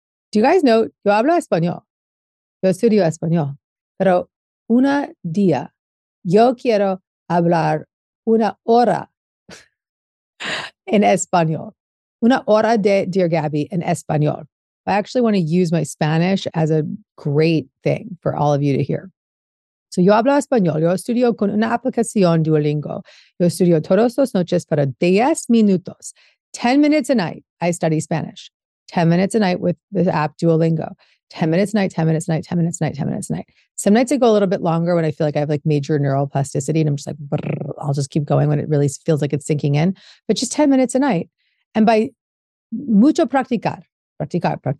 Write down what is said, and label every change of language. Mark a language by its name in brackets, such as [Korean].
[English] Do you guys know, [Spanish] yo hablo español. Yo estudio español. Pero una día, yo quiero hablar una hora en español. Una hora de Dear Gabby en español. [English] I actually want to use my Spanish as a great thing for all of you to hear. [Spanish] So yo hablo español, yo estudio con una aplicación Duolingo. Yo estudio todos los noches para 10 minutos. [English] 10 minutes a night, I study Spanish. 10 minutes a night with the app Duolingo. 10 minutes a night, 10 minutes a night, 10 minutes a night, 10 minutes a night. Some nights I go a little bit longer when I feel like I have like major neuroplasticity and I'm just like, I'll just keep going when it really feels like it's sinking in. But just 10 minutes a night. And by [Spanish] mucho practicar, practicar.